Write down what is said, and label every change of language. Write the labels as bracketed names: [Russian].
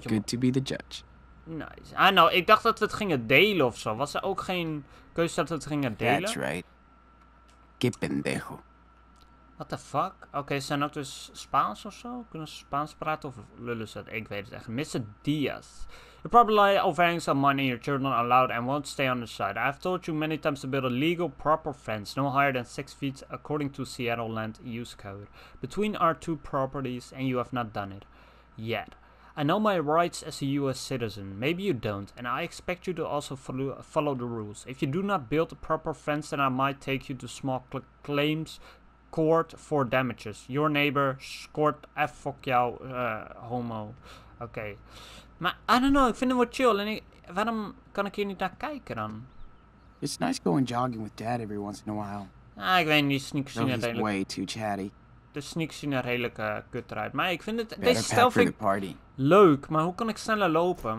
[Dutch] beetje... [English] It's good to be the judge. Nice. [Dutch] Ah, nou, ik dacht dat we het gingen delen of zo. Was er ook geen keuze dat we het gingen delen? [English] That's right. [Spanish] Qué pendejo. [English] What the fuck? [Dutch] Oké, zijn dat dus Spaans of zo? Kunnen ze Spaans praten of lullen ze dat? Ik weet het echt. Mr. Diaz. [English] You probably overhang some money and your children allowed and won't stay on the side. I've told you many times to build a legal proper fence, no higher than 6 feet according to Seattle Land Use Code, between our two properties and you have not done it. Yet. I know my rights as a US citizen, maybe you don't, and I expect you to also follow the rules. If you do not build a proper fence then I might take you to small claims court for damages. Your neighbor scored F fuck [Dutch] jou, homo. [English] Okay. [Dutch] Maar, [English] I don't know, [Dutch] ik vind hem wel chill. En waarom kan ik hier niet naar kijken dan? [English] It's nice going jogging with Dad every once in a while. [Dutch] Ah, ik weet niet, die sneakers zien er redelijk... [English] way too chatty. [Dutch] De sneakers zien er redelijk kut eruit. Maar ik vind het... [English] Better [Dutch] deze stijl vind [English] party. [Dutch] Leuk, maar hoe kan ik sneller lopen?